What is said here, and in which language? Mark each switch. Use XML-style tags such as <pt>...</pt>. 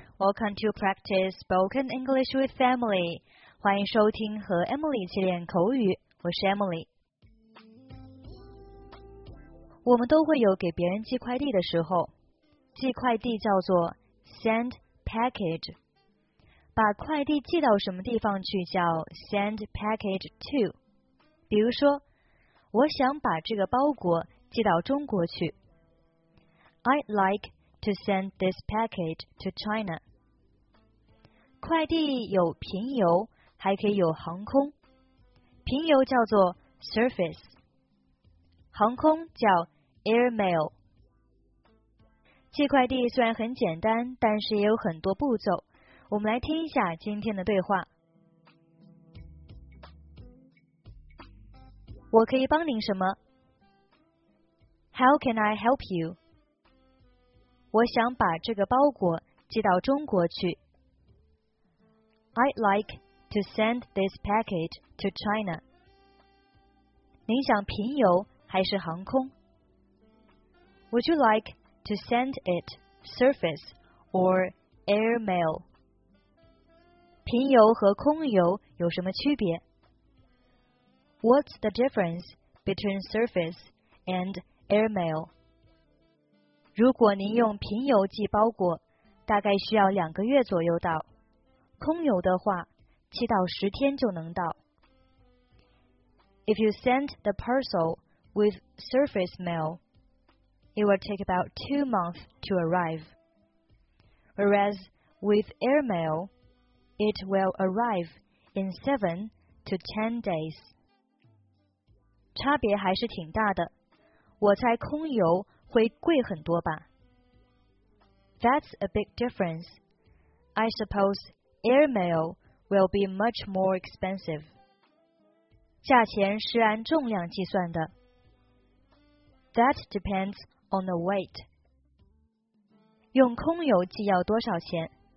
<en>Welcome to practice spoken English with Emily.</en> <zh>欢迎收听和 Emily 一起练口语。我是 Emily。我们都会有给别人寄快递的时候，寄快递叫做</zh> <en>send package。</en> <zh>把快递寄到什么地方去叫</zh> <en>send package to。</en> <zh>比如说，我想把这个包裹寄到中国去。</zh> <en>I'd like. To send this package to China.</en> <zh>快递有平邮，还可以有航空。平邮叫做 surface， 航空叫 airmail。寄快递虽然很简单，但是也有很多步骤。我们来听一下今天的对话。我可以帮您什么 ？</zh> <en>How can I help you?</en> <zh>我想把这个包裹寄到中国去。</zh> <en>I'd like to send this package to China.</en> <zh>您想平邮还是航空？</zh> <en>Would you like to send it surface or airmail?</en> <zh>平邮和空邮有什么区别？</zh> <en>What's the difference between surface and airmail?</en> <zh>如果您用平邮寄包裹，大概需要两个月左右到；空邮的话，七到十天就能到。</zh> <en>If you send the parcel with surface mail, it will take about 2 months to arrive. Whereas with airmail, it will arrive in 7 to 10 days.</en> <zh>差别还是挺大的，我猜空邮会贵很多吧。</zh> <en>That's a big difference. I suppose airmail will be much more expensive.</en> <zh>价钱是按重量计算的。</zh> <en>That depends on the weight.</en> <zh>用空邮寄要多少钱？</zh>